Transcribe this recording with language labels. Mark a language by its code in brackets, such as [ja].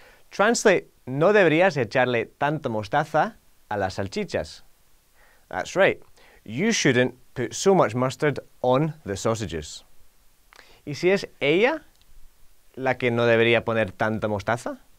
[en] Translate, [es] no deberías echarle tanta mostaza a las salchichas. [en] That's right. You shouldn't put so much mustard on the sausages. [es] ¿Y si es ella la que no debería poner tanta mostaza?